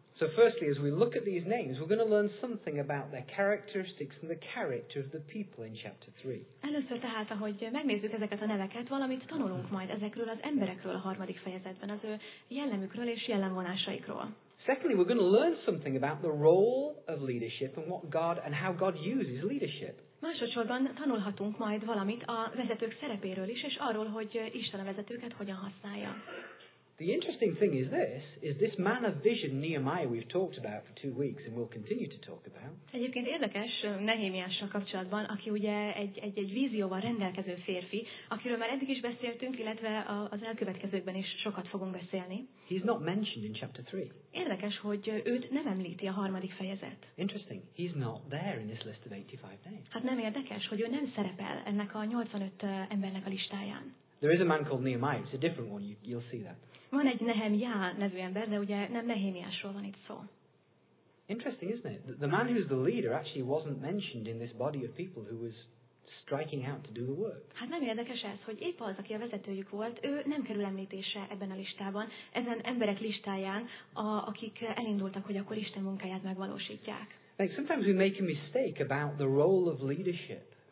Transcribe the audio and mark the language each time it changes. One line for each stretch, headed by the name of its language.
English: So firstly, as we look at these names, we're going to learn something about their characteristics and the character of the people in chapter 3.
Hungarian: Először tehát, ahogy megnézzük ezeket a neveket, valamit tanulunk majd ezekről az emberekről a harmadik fejezetben, az ő jellemükről és jellemvonásaikról.
English: Secondly, we're going to learn something about the role of leadership and what God and how God uses leadership.
Hungarian: Másodszorban tanulhatunk majd valamit a vezetők szerepéről is, és arról, hogy Isten a vezetőket hogyan használja.
English: The interesting thing is this man of vision, Nehemiah, we've talked about for 2 weeks and we'll continue to talk about.
Hungarian: Egyébként érdekes Nehémiással kapcsolatban, aki ugye egy vízióval rendelkező férfi, akiről már eddig is beszéltünk, illetve az elkövetkezőkben is sokat fogunk beszélni.
English: He's not mentioned in chapter 3.
Hungarian: Érdekes, hogy őt nem említi a harmadik fejezet.
English: Interesting. He's not there in this list of 85 names.
Hungarian: Hát nem érdekes, hogy ő nem szerepel ennek a 85 embernek a listáján.
English: There is a man called Nehemiah. It's a different one. You'll see that.
Hungarian: Van egy Nehemiah nevű ember, de ugye nem Nehémiásról van itt szó.
English: Interesting, isn't it? The man who's the leader actually wasn't mentioned in this body of people who was striking out to do the work.
Hungarian: Hát nem érdekes ez, hogy épp az, aki a vezetőjük volt, ő nem kerül említése ebben a listában, ezen emberek listáján, akik elindultak, hogy akkor Isten munkáját megvalósítják.
English: Like sometimes we make a mistake about the role of leadership.